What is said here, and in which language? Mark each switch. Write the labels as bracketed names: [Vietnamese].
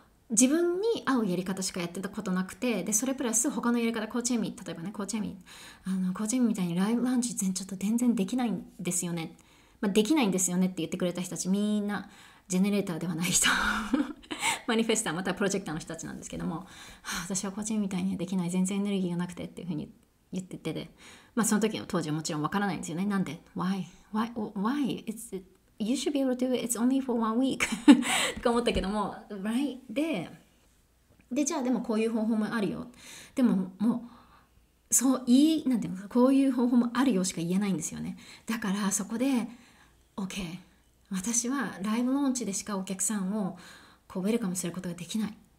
[Japanese] 自分に合うやり方しかやってたことなくて、でそれプラス他のやり方、コーチエミ、例えばねコーチエミ、あのコーチエミみたいにライブランチ全ちょっと全然できないんですよね、まあ、できないんですよねって言ってくれた人たち、みんなジェネレーターではない人マニフェスター、またはプロジェクターの人たちなんですけども、私はコーチエミみたいにできない、全然エネルギーがなくてっていうふうに言ってて、でまあその時の当時はもちろんわからないんですよね。なんで [English] Why? It's itYou should be able to do it. It's only for one week. [Japanese] とか思ったけども、right? で、じゃあでもこういう方法もあるよ。でももう、そう言い、なんていうのか、こういう方法もあるよしか言えないんですよね。だからそこで、OK。私はライブローンチでしかお客さんをこうウェルカムすることができない。